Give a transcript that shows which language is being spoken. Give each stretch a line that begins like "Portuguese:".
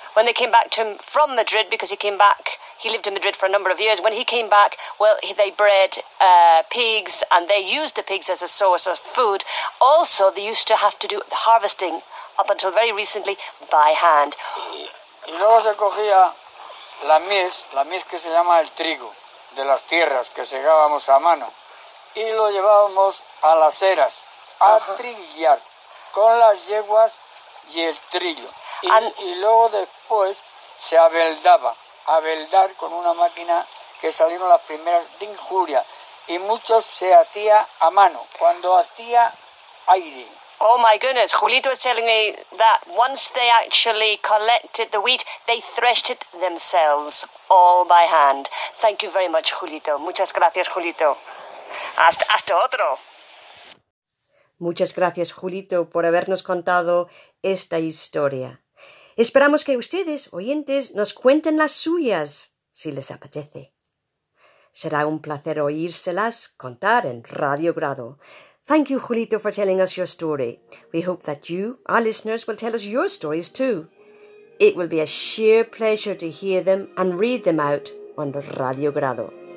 English: When they came back to him from Madrid, because he came back, he lived in Madrid for a number of years. When he came back, well, they bred pigs, and they used the pigs as a source of food. Also, they used to have to do the harvesting up until very recently by hand.
Spanish: Y luego se cogía La mies que se llama el trigo de las tierras que segábamos a mano y lo llevábamos a las eras a trillar con las yeguas y el trillo. Y luego después se abeldaba, abeldar con una máquina que salieron las primeras de injuria y muchos se hacía a mano cuando hacía aire.
English: Oh my goodness, Julito is telling me that once they actually collected the wheat, they threshed it themselves, all by hand. Thank you very much, Julito.
Spanish: Muchas gracias, Julito. Hasta otro. Muchas gracias, Julito, por habernos contado esta historia. Esperamos que ustedes, oyentes, nos cuenten las suyas, si les apetece. Será un placer oírselas contar en Radio Grado.
English: Thank you, Julito, for telling us your story. We hope that you, our listeners, will tell us your stories too. It will be a sheer pleasure to hear them and read them out on Radio Grado.